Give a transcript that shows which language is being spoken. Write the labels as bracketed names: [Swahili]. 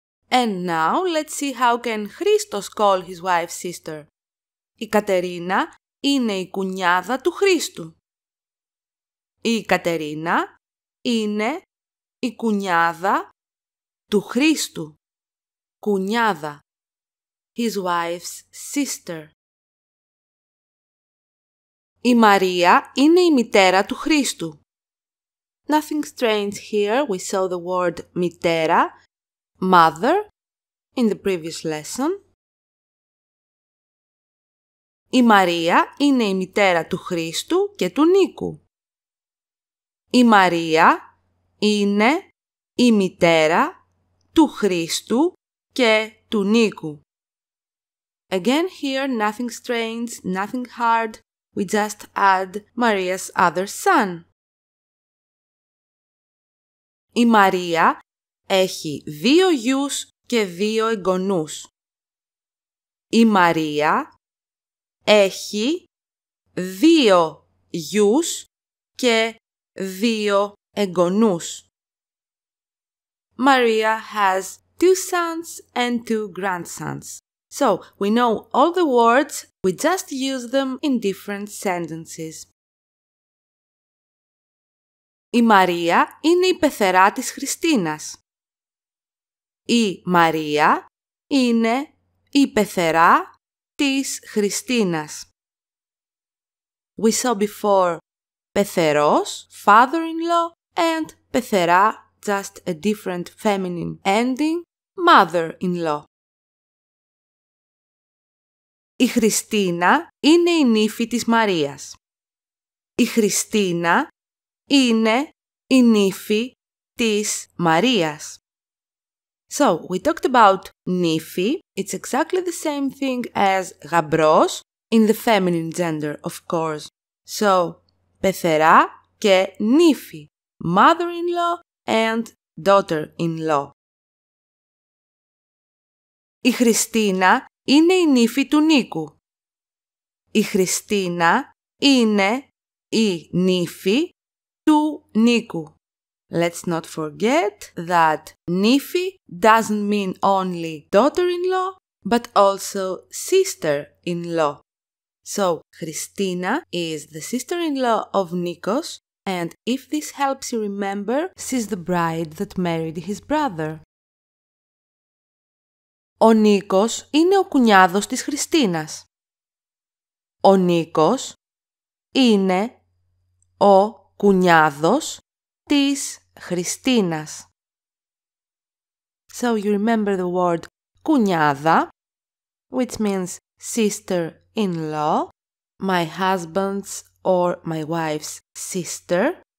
[English] And now let's see how can Χρήστος call his wife's sister. [Greek] Η Κατερίνα είναι η κουνιάδα του Χρήστου. Η Κατερίνα είναι η κουνιάδα του Χρήστου. Κουνιάδα. [English] His wife's sister. [Greek] Η Μαρία είναι η μητέρα του Χρήστου. [English] Nothing strange here. We saw the word μητέρα, mother, in the previous lesson. [Greek] Η Μαρία είναι η μητέρα του Χρήστου και του Νίκου. Η Μαρία είναι η μητέρα του Χρήστου και του Νίκου. [English] Again here, nothing strange, nothing hard. We just add Maria's other son. [Greek] Η Μαρία έχει δύο γιους και δύο εγγονούς. Η Μαρία έχει δύο γιους και δύο εγγονούς. [English] Maria has two sons and two grandsons. So, we know all the words, we just use them in different sentences. [Greek] Η Μαρία είναι η πεθερά της Χριστίνας. Η Μαρία είναι η πεθερά της Χριστίνας. [English] We saw before πεθερός, father-in-law, and πεθερά, just a different feminine ending, mother-in-law. [Greek] Η Χριστίνα είναι η νύφη της Μαρίας. Η Χριστίνα είναι η νύφη της Μαρίας. [English] So, we talked about νύφη. It's exactly the same thing as γαμπρός, in the feminine gender, of course. So, [Greek] πεθερά και νύφη, [English] mother-in-law and daughter-in-law. [Greek] Η Χριστίνα είναι η νύφη του Νίκου. Η Χριστίνα είναι η νύφη του Νίκου. [English] Let's not forget that νύφη doesn't mean only daughter-in-law, but also sister-in-law. So, Christina is the sister-in-law of Nikos, and if this helps you remember, she's the bride that married his brother. [Greek] Ο Νίκος είναι ο κουνιάδος της Χριστίνας. Ο Νίκος είναι ο κουνιάδος της Χριστίνας. [English] So, you remember the word κουνιάδα, which means sister-in-law, my husband's or my wife's sister.